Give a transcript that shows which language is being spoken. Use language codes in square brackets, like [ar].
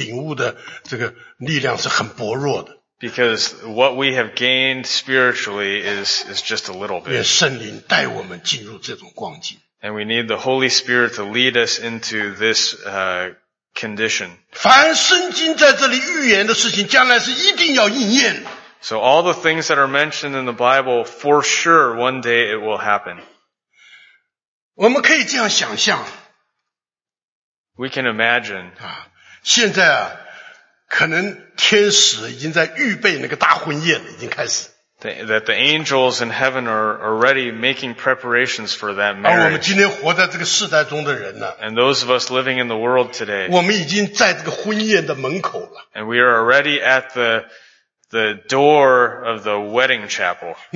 [zh] 因为我们实在对属灵的事情领悟的这个力量是很薄弱的。 [en] Because what we have gained spiritually is just a little bit. [zh] 愿圣灵带我们进入这种光景。 [en] And we need the Holy Spirit to lead us into this condition. [zh] 凡圣经在这里预言的事情将来是一定要应验的。 [en] So all the things that are mentioned in the Bible, for sure, one day it will happen. [zh] 我们可以这样想象。 [en] We can imagine. [zh] 现在可能天使已经在预备那个大婚宴了，已经开始。 [en] That the angels in heaven are already making preparations for that marriage. And those of us living in the world today. And we are already at the door of the wedding chapel.